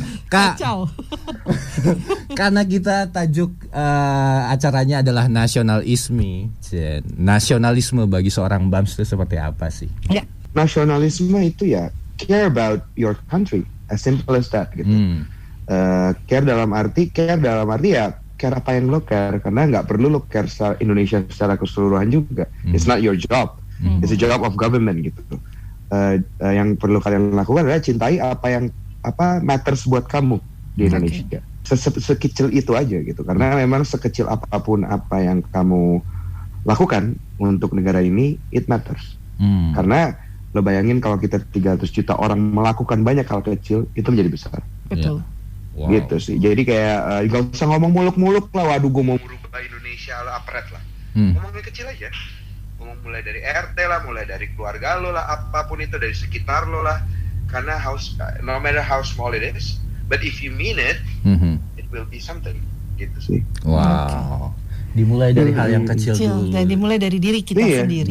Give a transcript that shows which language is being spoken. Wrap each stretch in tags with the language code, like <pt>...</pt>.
<id>Kak, karena kita tajuk acaranya adalah nasionalisme. Nasionalisme bagi seorang Bams itu seperti apa sih? Ya. Nasionalisme itu ya</id> <en>care about your country, as simple as that gitu.</en> <id>Care dalam arti ya care apa yang lo care, karena nggak perlu lo care secara Indonesia secara keseluruhan juga.</id> <en>It's not your job. It's a job of government gitu.</en> <id>Yang perlu kalian lakukan adalah cintai apa yang apa matters buat kamu di Indonesia. Sekecil itu aja gitu. Karena memang sekecil apapun apa yang kamu lakukan untuk negara ini,</id> <en>it matters.</en> <id>Karena lo bayangin kalau kita 300 juta orang melakukan banyak hal kecil, itu menjadi besar. Betul. Wow. Gitu sih. Jadi kayak gak usah ngomong muluk-muluk lah. Waduh, gue mau merubah Indonesia lah, apret lah. Ngomongnya kecil aja. Ngomong mulai dari RT lah, mulai dari keluarga lo lah, apapun itu, dari sekitar lo lah.</id> <en>Karena no matter how small it is, but if you mean it, it will be something.</en> <id>Gitu sih. Wow. Dimulai dari hal yang kecil dulu. Dan dimulai dari diri kita sendiri.</id>